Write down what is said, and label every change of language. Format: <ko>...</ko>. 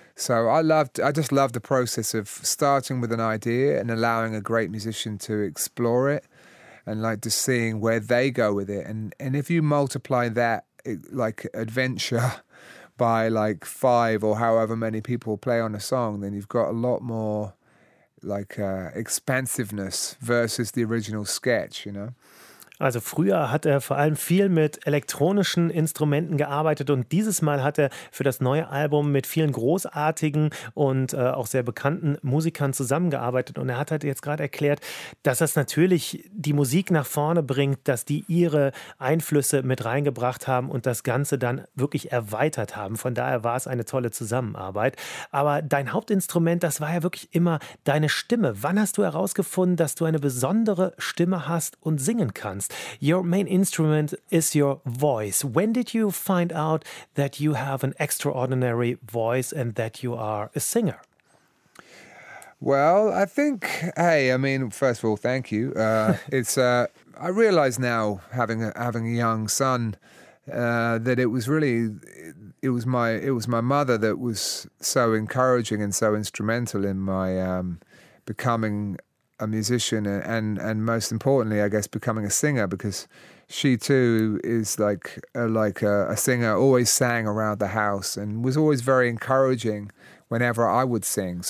<en>So I just love the process of starting with an idea and allowing a great musician to explore it and like just seeing where they go with it. And if you multiply that like adventure by like 5 or however many people play on a song, then you've got a lot more like expansiveness versus the original sketch, you know?</en> <de>Also früher hat er vor allem viel mit elektronischen Instrumenten gearbeitet und dieses Mal hat er für das neue Album mit vielen großartigen und auch sehr bekannten Musikern zusammengearbeitet und er hat halt jetzt gerade erklärt, dass das natürlich die Musik nach vorne bringt, dass die ihre Einflüsse mit reingebracht haben und das Ganze dann wirklich erweitert haben. Von daher war es eine tolle Zusammenarbeit. Aber dein Hauptinstrument, das war ja wirklich immer deine Stimme. Wann hast du herausgefunden, dass du eine besondere Stimme hast und singen kannst?</de> <en>podcast. Your main instrument is your voice. When did you find out that you have an extraordinary voice and that you are a singer? Well, I think, first of all, thank you. I realize now, having a young son, that it was my mother that was so encouraging and so instrumental in my becoming a musician and most importantly, I guess, becoming a singer, because she too is like a singer, always sang around the house and was always very encouraging whenever I would sing.</en>